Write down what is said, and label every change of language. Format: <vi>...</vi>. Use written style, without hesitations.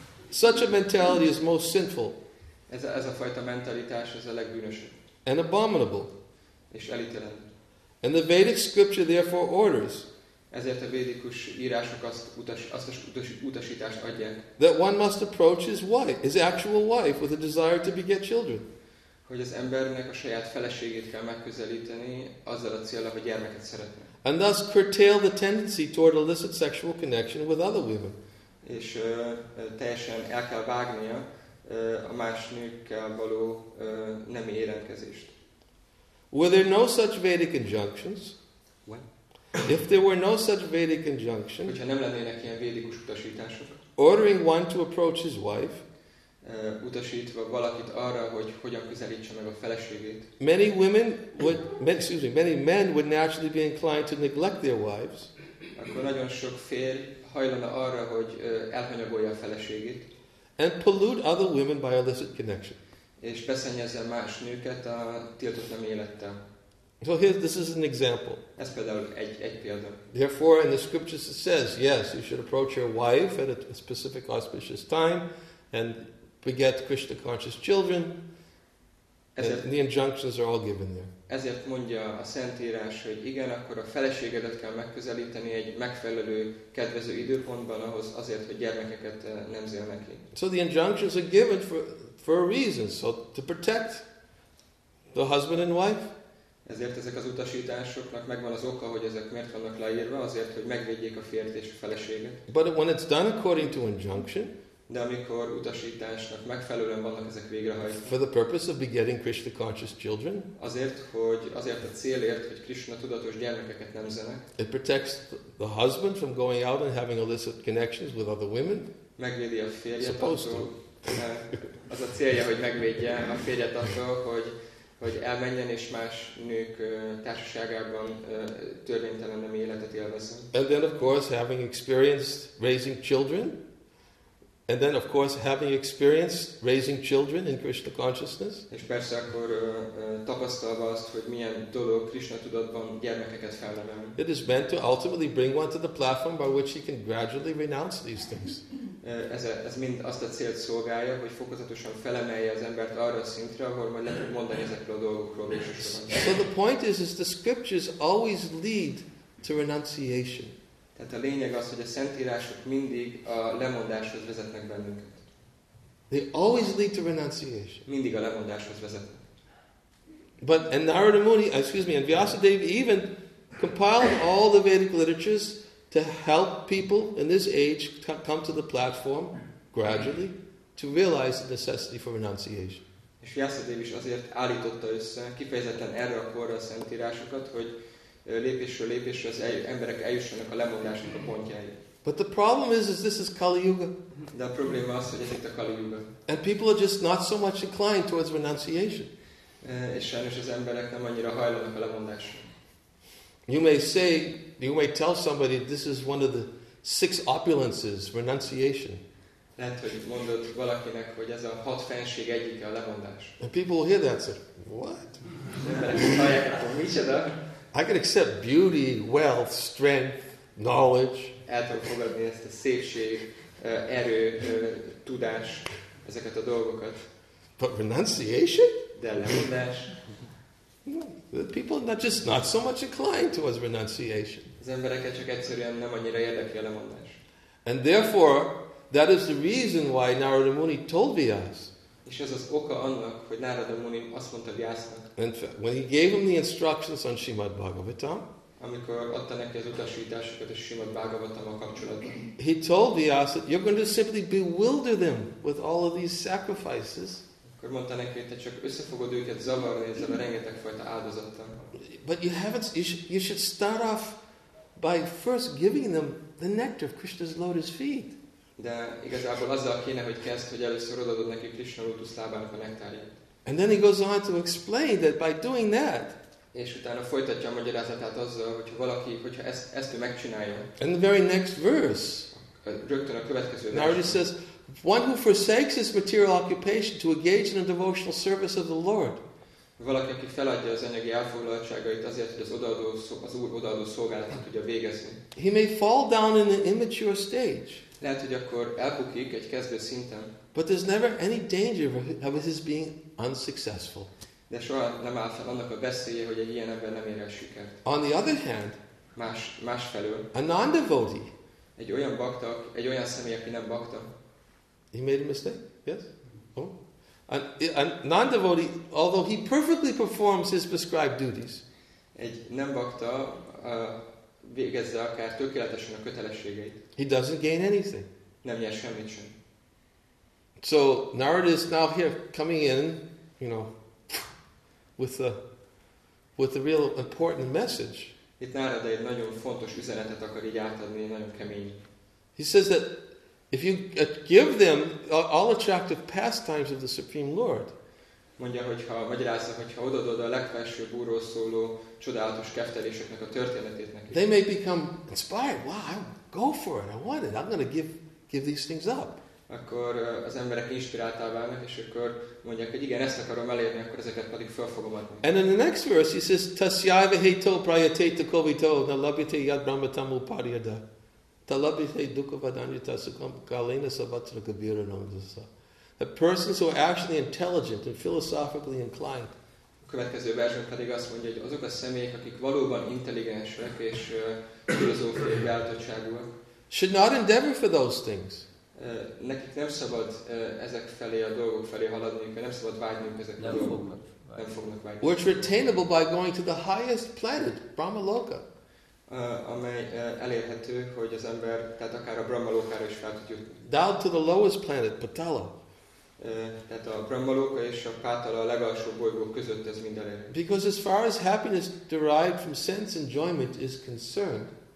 <en>Such a mentality is most sinful.</en> <hu>Ez a fajta mentalitás ez a legbűnösebb.</hu> <en>And abominable.</en> <hu>És elítélendő.</hu> <en>And the Vedic scripture therefore orders.</en> <hu>Ezért a védikus írások utasítást adják.</hu> <en>That one must approach his actual wife with a desire to beget children.</en> <hu>Hogy az embernek a saját feleségét kell megközelíteni azzal a célra, hogy gyermeket szeretne.</hu> <en>And thus curtail the tendency toward illicit sexual connection with other women.</en> <hu>És teljesen el kell vágnia a más nőkkel való nemi érintkezést.</hu> <en>Were there no such Vedic injunctions? What? If there were no such Vedic injunction,</en> <hu>hogyha nem lennének ilyen védikus utasítások,</hu> <en>ordering one to approach his wife,</en> <hu>utasítva valakit arra, hogy hogyan közelítse meg a feleségét,</hu> <en>many men would naturally be inclined to neglect their wives,</en> <hu>akkor nagyon sok férj hajlana arra, hogy elhanyagolja a feleségét,</hu> <en>and pollute other women by illicit connection.</en> <hu>És beszennyezze más nőket a tiltott nemi élettel.</hu> <en>So here, this is an example.</en> <hu>Ez például egy példa.</hu> <en>Therefore, in the scriptures it says, yes, you should approach your wife at a specific auspicious time and beget Krishna conscious children.</en> <hu>Ezért,</hu> <en>the injunctions are all given there.</en> <hu>Ezért mondja a Szentírás, hogy igen, akkor a feleségedet kell megközelíteni egy megfelelő, kedvező időpontban ahhoz, azért, hogy gyermekeket nemzél neki.</hu> <en>So the injunctions are given for a reason, so to protect the husband and wife.</en> <hu>Ezért ezek az utasításoknak megvan az oka, hogy ezek miért vannak leírva, azért, hogy megvédjék a férjet és a feleséget.</hu> <en>But when it's done according to injunction,</en> <hu>de amikor utasításnak megfelelően vannak ezek végrehajtva,</hu> <en>for the purpose of begetting Krishna conscious children,</en> <hu>azért a célért, hogy Krishna tudatos gyermekeket nemzenek,</hu> <en>it protects the husband from going out and having illicit connections with other women,</en> <hu>megvédi a férjet attól, az a célja, hogy megvédje a férjet attól, hogy elmenjen és más nők társaságában törvénytelen nem életet élvezzen.</hu> <en>And then of course having experienced raising children, and then of course having experienced raising children in Krishna consciousness,</en> <hu>és persze akkor tapasztalva azt, hogy milyen dolog Krishna tudatban gyermekeket felnevelni.</hu> <en>It is meant to ultimately bring one to the platform by which he can gradually renounce these things.</en> <hu>Ez mind azt a célt szolgálja, hogy fokozatosan felemelje az embert arra a szintre, ahol majd lehet mondani ezekről a dolgokról.</hu> <en>So the point is the scriptures always lead to renunciation.</en> <hu>Tehát a lényeg az, hogy a szentírások mindig a lemondáshoz vezetnek bennünket.</hu> <en>They always lead to renunciation.</en> <hu>Mindig a lemondáshoz vezetnek.</hu> <en>But and Narada Muni, excuse me, and Vyasadeva even compiled all the Vedic literatures to help people in this age come to the platform gradually to realize the necessity for renunciation.</en> <hu>És Vyasadeva is azért állította össze kifejezetten erre a korra a szentírásokat, hogy lépésről lépésre az emberek eljussanak a lemondásnak a pontjáig.</hu> <en>But the problem is this is Kali Yuga.</en> <hu>De a probléma az, hogy ez itt a Kali Yuga.</hu> <en>And people are just not so much inclined towards renunciation.</en> <hu>És sajnos az emberek nem annyira hajlanak a lemondásra.</hu> <en>You may tell somebody this is one of the six opulences, renunciation.</en> <hu>Lehet, hogy mondod valakinek, hogy ez a hat fenség egyike a lemondás.</hu> <en>And people will hear that and say, what? I can accept beauty, wealth, strength, knowledge.</en> <hu>El tudom fogadni ezt a szépség, erő, tudás, ezeket a dolgokat.</hu> <en>But renunciation?</en> <hu>De lemondás.</hu> <en>No, the people are not so much inclined towards renunciation.</en> <hu>Az embereket csak egyszerűen nem annyira érdekli a lemondás.</hu> <en>And therefore, that is the reason why Narada Muni told Vyas.</en> <hu>És ez az oka annak, hogy Narada Muni azt mondta Vyasnak.</hu> <en>And when he gave him the instructions on Srimad Bhagavatam,</en> <hu>amikor adta neki az utasításokat a Srimad Bhagavatam a kapcsolatban,</hu> <en>he told Vyas that you're going to simply bewilder them with all of these sacrifices.</en> <hu>Akkor mondta neki, hogy te csak össze fogod őket zavarni ezzel a rengeteg fajta áldozattal.</hu> <en>But you should start off by first giving them the nectar of Krishna's lotus feet.</en> <hu>De igazából azzal kéne, hogy kezd, hogy először odaadod neki Krishna lotus lábának a nektárját.</hu> <en>And then he goes on to explain that by doing that.</en> <hu>És utána folytatja a magyarázatát azzal, hogyha valaki, hogyha ezt ő megcsinálja.</hu> <en>In the very next verse.</en> <hu>Rögtön a következő</hu> <en>verse. Narada says, one who forsakes his material occupation to engage in a devotional service of the Lord.</en> <hu>Valaki, aki feladja az anyagi elfoglaltságait azért, hogy az Úr odaadó szolgálatát tudja végezni.</hu> <en>He may fall down in an immature stage.</en> <hu>Lehet, hogy akkor elbukik egy kezdő szinten.</hu> <en>But there's never any danger of his being unsuccessful.</en> <hu>De soha nem áll fel annak a veszélye, hogy egy ilyen ember nem ér el sikert.</hu> <en>On the other hand,</en> <hu>másfelől,</hu> <en>a non-devotee,</en> <hu>egy olyan bakta, egy olyan személy, aki nem bakta,</hu> <en>he made a mistake, yes? Oh. A non-devotee, although he perfectly performs his prescribed duties,</en> <hu>egy nem bakta végezze akár tökéletesen a kötelességeit,</hu> <en>he doesn't gain anything.</en> <hu>Nem nyer semmit sem.</hu> <en>So Narada is now here coming in, you know, with a real important message.</en> <hu>Itt Narada egy nagyon fontos üzenetet akar így átadni, nagyon kemény.</hu> <en>He says that if you give them all attractive pastimes of the Supreme Lord,</en> <hu>mondja, hogyha magyarázza, hogyha odaadod a legfelsőbb úrról szóló csodálatos kefteléseknek a történetét neki,</hu> <en>they may become inspired. Wow, go for it! I want it! I'm going to give these things up.</en> <hu>Akkor az emberek inspiráltá válnak, és akkor mondják, hogy igen, ezt akarom elérni, akkor ezeket pedig fel fogom adni.</hu> <en>And in the next verse, he says,</en> <sa>"Tasyaiva heto prayateto kovito na labhyate yad brahmatam upadhyada." Talabhi hai dukkha vadanyata sukham kalena sabhatra kabira namdasa.</sa> <en>A person who are actually intelligent and philosophically inclined.</en> <hu>A következő versben pedig azt mondja, hogy azok a személyek, akik valóban intelligensek és filozófiai beállítottságúak,</hu> <en>should not endeavor for those things.</en> <hu>Nekik nem szabad ezek felé, a dolgok felé haladniuk, nem szabad vágyniuk ezek nem a dolgok. Nem fognak vágyni.</hu> <en>Which are attainable by going to the highest planet, Brahmaloka.</en> <hu>Amely elérhető, hogy az ember, tehát akár a Brahmalokára is fel tud jutni.</hu> <en>Down to the lowest planet, Patala.</en> <hu>Tehát a Brahmaloka és a Pátala, a legalsó bolygó között ez minden.</hu> <en>Because as far as happiness derived from sense enjoyment is concerned,</en>